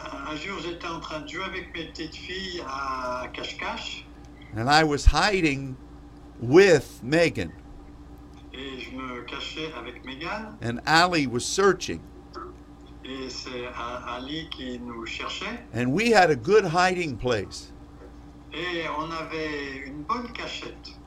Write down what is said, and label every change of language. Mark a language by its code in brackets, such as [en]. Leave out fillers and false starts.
[fr] Un jour j'étais en train de jouer avec mes petites filles à cache-cache. [en] And I was hiding with Megan. [fr] Et je me cachais avec Megan. [en] And Ali was searching. [fr] Et c'est Ali qui nous cherchait. [en] And we had a good hiding place. [fr] Et on avait une bonne cachette.